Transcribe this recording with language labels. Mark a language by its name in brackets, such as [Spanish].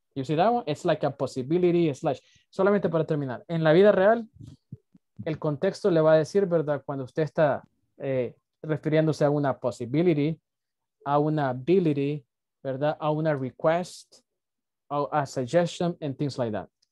[English] You see that one? It's like a possibility slash. [Spanish] Solamente para terminar. En la vida real, el contexto le va a decir, ¿verdad? Cuando usted está refiriéndose a una possibility, a una ability, ¿verdad? [English] A una request, a suggestion, and things like that.